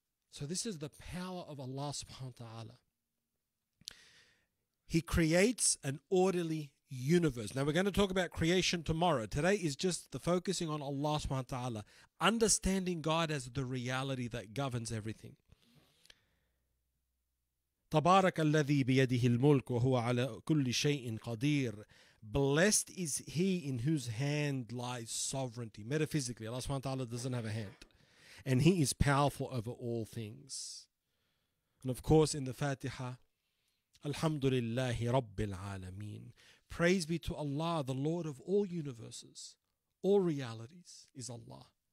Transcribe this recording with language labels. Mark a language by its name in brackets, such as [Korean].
[English] So this is the power of Allah subhanahu wa ta'ala. He creates an orderly universe. Now we're going to talk about creation tomorrow. Today is just the focusing on Allah subhanahu wa ta'ala, understanding God as the reality that governs everything. [Arabic] تبارك الذي بيده الملك وهو على كل شيء قدير. [English] Blessed is he in whose hand lies sovereignty. Metaphysically, Allah subhanahu wa ta'ala doesn't have a hand. And he is powerful over all things. And of course, in the Fatiha, [Arabic] Alhamdulillah Rabbil Alameen. [English] Praise be to Allah, the Lord of all universes. All realities is Allah.